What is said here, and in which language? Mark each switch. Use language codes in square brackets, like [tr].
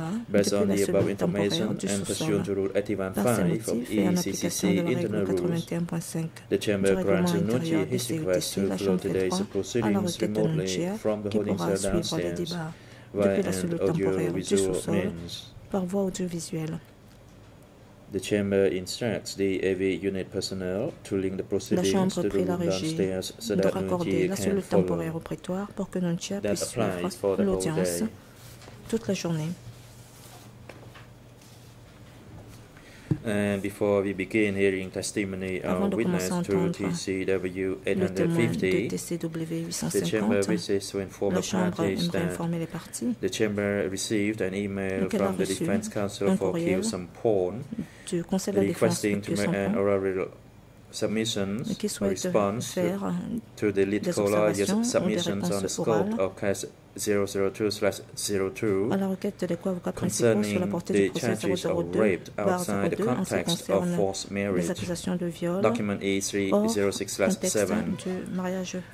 [en] Based on the above information and pursuant to Rule 81.5 of ECCC internal rules, the chamber grants Nunchi his request to follow today's proceedings remotely from the holding cell downstairs via audiovisual means. [fr] Par voie audiovisuelle. [en] The chamber instructs the AV unit personnel to link the proceedings to the room downstairs so that Nungier can follow. [fr] La temporaire au prétoire pour que Nungier puisse suivre l'audience toute la journée. [en] And before we begin hearing testimony of witness through TCW 850, the chamber wishes to inform [fr] les parties. [en] The chamber received an email from the defense counsel for Kyu Sampon requesting to make an oral submissions in response to the lead co-lawyer's submissions on the scope of case 002/02 concerning the charges of rape outside the context of forced marriage, document E306/7.